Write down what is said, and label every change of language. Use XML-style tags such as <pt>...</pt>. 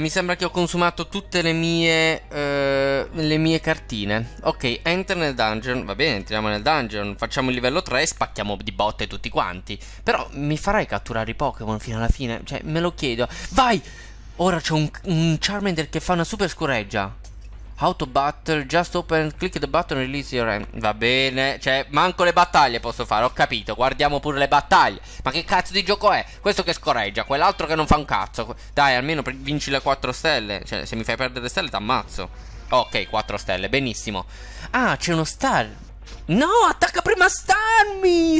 <it>Mi sembra che ho consumato tutte le mie cartine. Ok, enter nel dungeon. Va bene, entriamo nel dungeon. Facciamo il livello 3 e spacchiamo di botte tutti quanti. Però mi farai catturare i Pokémon fino alla fine? Cioè, me lo chiedo. Vai! Ora c'è un Charmander che fa una super scorreggia.</it> <en>Auto battle, just open, click the button, release your hand.</en> <it>Va bene, cioè, manco le battaglie posso fare, ho capito. Guardiamo pure le battaglie. Ma che cazzo di gioco è? Questo che scorreggia, quell'altro che non fa un cazzo. Dai, almeno vinci le 4 stelle. Cioè, se mi fai perdere le stelle, t'ammazzo. Ok, 4 stelle, benissimo. Ah, c'è uno Star. No, attacca prima Starmie!</it>